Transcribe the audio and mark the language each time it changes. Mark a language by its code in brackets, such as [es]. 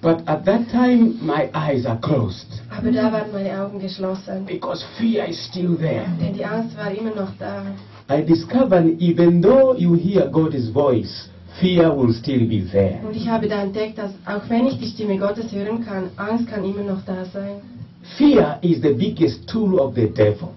[en] But at that time, my eyes are closed. [de] Aber da waren meine Augen geschlossen. [en] Because fear is still there. [de] Denn die Angst war immer noch da. [en] I discovered, even though you hear God's voice, fear will still be there. [de] Und ich habe da entdeckt, dass auch wenn ich die Stimme Gottes hören kann, Angst kann immer noch da sein. [en] Fear is the biggest tool of the devil.